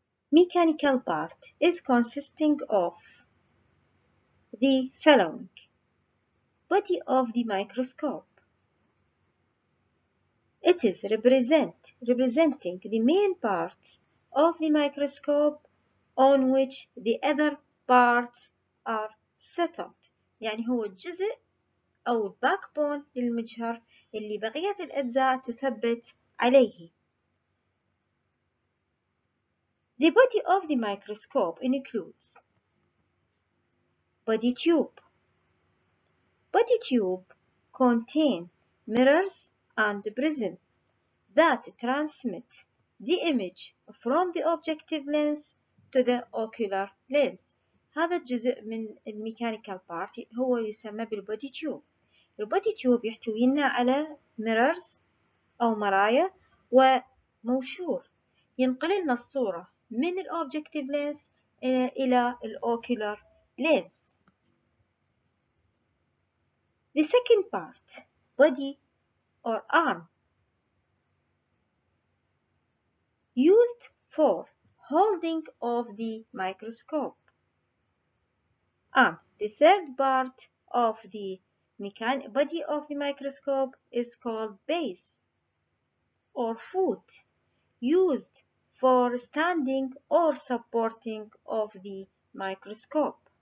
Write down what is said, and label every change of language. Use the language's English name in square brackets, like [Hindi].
[English] Mechanical part is consisting of the following: body of the microscope. It is representing the main parts of the microscope on which the other parts are settled. [Arabic] يعني هو الجزء أو backbone للمجهر اللي بقية الأجزاء تثبت عليه. [English] The body of the microscope includes body tube. Body tube contain mirrors and prism that transmit the image from the objective lens to the ocular lens. [Arabic] هذا الجزء من الميكانيكال بارت هو يسمى بالبودي تيوب. البودي تيوب يحتوي لنا على mirrors أو مرايا وموشور ينقل لنا الصورة من الobjective lens إلى الocular lens. [English] The second part, body or arm, used for holding of the microscope. And the third part of the body of the microscope is called base or foot, used for standing or supporting of the microscope.